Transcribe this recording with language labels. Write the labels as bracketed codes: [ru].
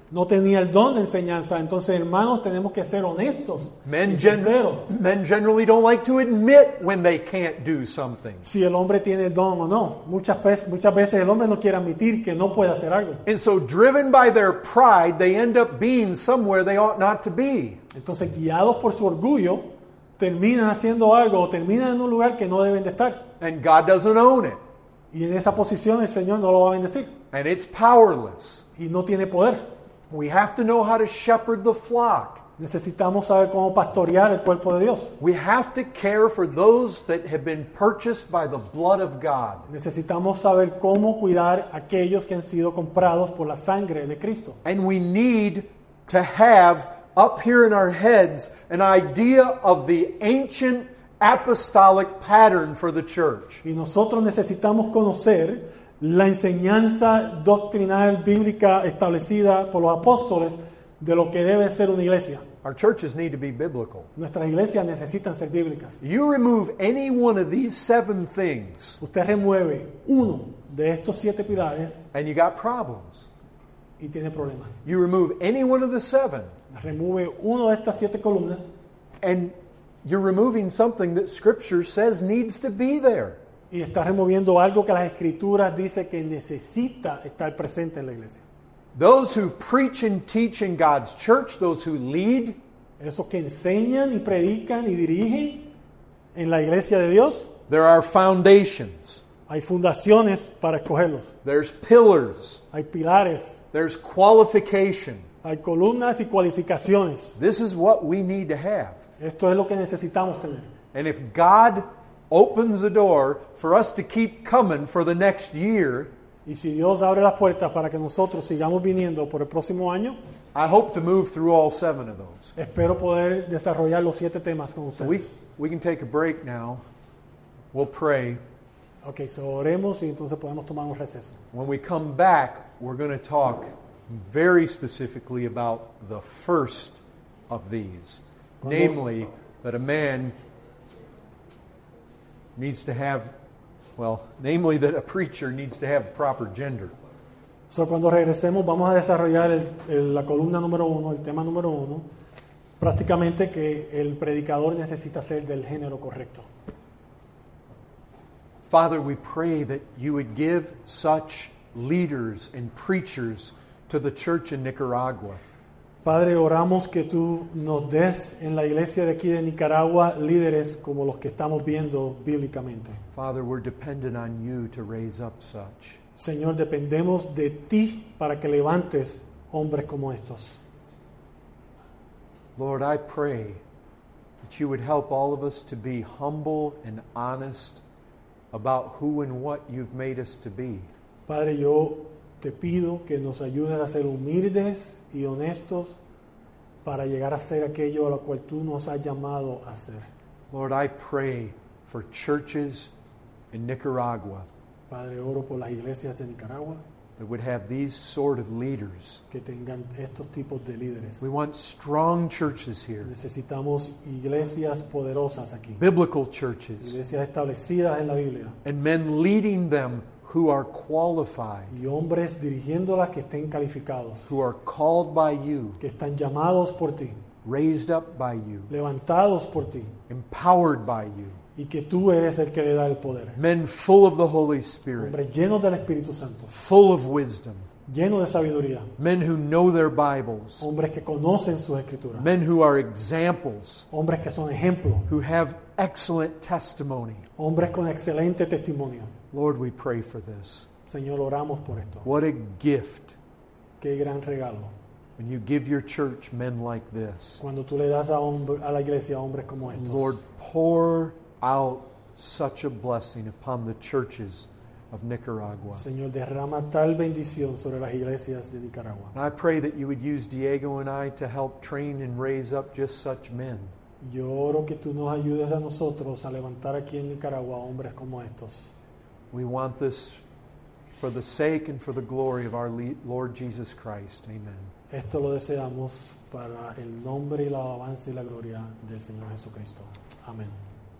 [es] No tenía el don de enseñanza. Entonces, hermanos, tenemos que ser honestos [en] men [es] y sinceros. [en] Men generally don't like to admit when they can't do something. [es] Si el hombre tiene el don o no. Muchas veces el hombre no quiere admitir que no puede hacer algo. [en] And so, driven by their pride, they end up being somewhere they ought not to be. [es] Entonces, guiados por su orgullo, terminan haciendo algo o terminan en un lugar que no deben de estar. [en] And God doesn't own it. [es] Y en esa posición, el Señor no lo va a bendecir. [en] And it's powerless. [es] Y no tiene poder. [en] We have to know how to shepherd the flock. [es] Necesitamos saber cómo pastorear el cuerpo de Dios. [en] We have to care for those that have been purchased by the blood of God. [es] Necesitamos saber cómo cuidar aquellos que han sido comprados por la sangre de Cristo. [en] And we need to have up here in our heads an idea of the ancient apostolic pattern for the church. [es] Y nosotros necesitamos conocer la enseñanza doctrinal bíblica establecida por los apóstoles de lo que debe ser una iglesia. [en] Our churches need to be biblical. [es] Nuestras iglesias necesitan ser bíblicas. [en] You remove any one of these seven things. [es] Usted remueve uno de estos siete pilares. [en] And you got problems. [es] Y tiene problemas. [en] You remove any one of the seven. [es] Remueve uno de estas siete columnas. [en] And you're removing something that Scripture says needs to be there. [es] Y está removiendo algo que las Escrituras dice que necesita estar presente en la iglesia. [en] Those who preach and teach in God's church, those who lead, [es] esos que enseñan y predican y dirigen en la iglesia de Dios, [en] there are foundations. [es] Hay fundaciones para escogerlos. [en] There's pillars. [es] Hay pilares. [en] There's qualification. [es] Hay columnas y cualificaciones. [en] This is what we need to have. [es] Esto es lo que necesitamos tener. [en] And if God opens the door for us to keep coming for the next year. [es] Y si Dios abre las puertas para que nosotros sigamos viniendo por el próximo año, [en] I hope to move through all seven of those. [es] Espero poder desarrollar los siete temas con ustedes. [en] We can take a break now. We'll pray. Okay, so [es] oremos y entonces podemos tomar un receso. [en] When we come back, we're going to talk very specifically about the first of these, namely that a man needs to have, well, namely that a preacher needs to have proper gender. [es] So cuando regresemos vamos a desarrollar la columna número uno, el tema número uno, prácticamente que el predicador necesita ser del género correcto. [en] Father, we pray that you would give such leaders and preachers to the church in Nicaragua. [es] Padre, oramos que tú nos des en la iglesia de aquí de Nicaragua líderes como los que estamos viendo bíblicamente. [en] Father, we're dependent on you to raise up such. [es] Señor, dependemos de ti para que levantes hombres como estos. [en] Lord, I pray that you would help all of us to be humble and honest about who and what you've made us to be. [es] Padre, yo te pido que nos ayudes a ser humildes y honestos para llegar a ser aquello a lo cual tú nos has llamado a ser. [en] Lord, I pray for churches in Nicaragua. [es] Padre, oro por las iglesias de Nicaragua. [en] That would have these sort of leaders. [es] Que tengan estos tipos de líderes. [en] We want strong churches here. [es] Necesitamos iglesias poderosas aquí. [en] Biblical churches. [es] Iglesias establecidas en la Biblia. [en] And men leading them who are qualified. [es] Y hombres dirigiéndolas que estén calificados. [en] Who are called by you. [es] Que están llamados por ti. [en] Raised up by you. [es] Levantados por ti. [en] Empowered by you. [es] Y que tú eres el que le da el poder. [en] Men full of the Holy Spirit. [es] Hombres llenos del Espíritu Santo. [en] Full of wisdom. [es] Llenos de sabiduría. [en] Men who know their Bibles. [es] Hombres que conocen sus escrituras. [en] Men who are examples. [es] Hombres que son ejemplos. [en] Who have excellent testimony. [es] Hombres con excelente testimonio. [en] Lord, we pray for this. [es] Señor, oramos por esto. [en] What a gift. [es] Qué gran regalo. [en] When you give your church men like this. [es] Cuando tú le das a la iglesia hombres como estos. [en] Lord, pour out such a blessing upon the churches of Nicaragua. [es] Señor, derrama tal bendición sobre las iglesias de Nicaragua. [en] And I pray that you would use Diego and I to help train and raise up just such men. [es] Yo oro que tú nos ayudes a nosotros a levantar aquí en Nicaragua hombres como estos. [en] We want this for the sake and for the glory of our Lord Jesus Christ. Amen. [es] Esto lo deseamos para el nombre y la alabanza y la gloria del Señor Jesucristo. Amén.